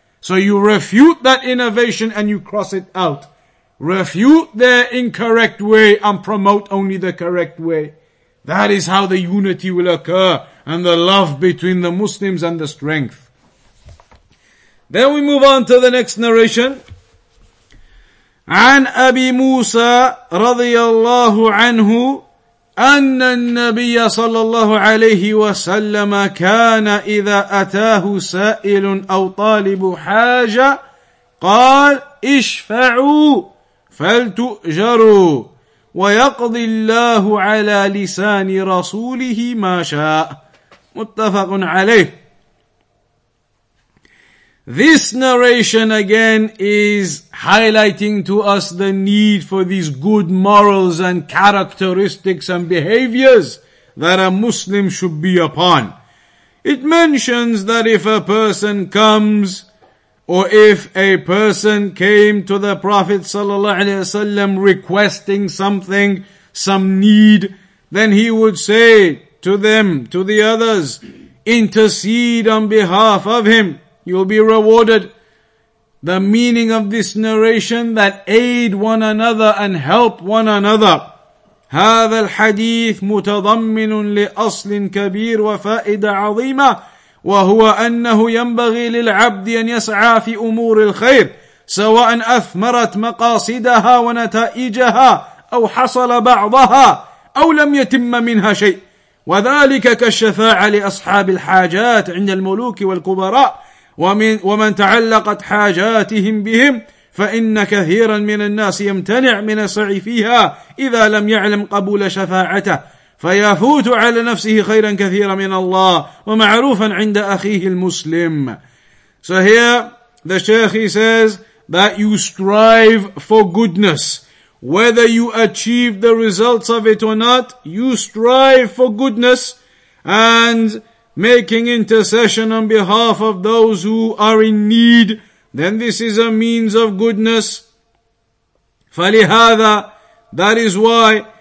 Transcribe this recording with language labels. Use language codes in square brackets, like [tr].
[en] So you refute that innovation and you cross it out. Refute their incorrect way and promote only the correct way. That is how the unity will occur and the love between the Muslims and the strength. Then we move on to the next narration. [ar] عن أبي موسى رضي الله عنه أن النبي صلى الله عليه وسلم كان إذا أتاه سائل أو طالب حاجة قال اشفعوا فلتؤجروا ويقضي الله على لسان رسوله ما شاء. متفق عليه. [en] This narration again is highlighting to us the need for these good morals and characteristics and behaviors that a Muslim should be upon. It mentions that if a person comes, or if a person came to the Prophet sallallahu alaihi wasallam requesting something, some need, then he would say to them, to the others, intercede on behalf of him. You'll be rewarded. The meaning of this narration, that aid one another and help one another. [ar] هذا الحديث متضمن لأصل كبير وفائدة عظيمة وهو أنه ينبغي للعبد أن يسعى في أمور الخير سواء أثمرت مقاصدها ونتائجها أو حصل بعضها أو لم يتم منها شيء وذلك كالشفاعة لأصحاب الحاجات عند الملوك والكبراء ومن تعلقت حاجاتهم بهم فإن كثيرا من الناس يمتنع من السعي فيها إذا لم يعلم قبول شفاعته فيفوت على نفسه خيرا كثيرا من الله ومعروفا عند أخيه المسلم. [en] So here the Sheikh, he says that you strive for goodness, whether you achieve the results of it or not, you strive for goodness and making intercession on behalf of those who are in need, then this is a means of goodness. فَلِهَذَا, that is why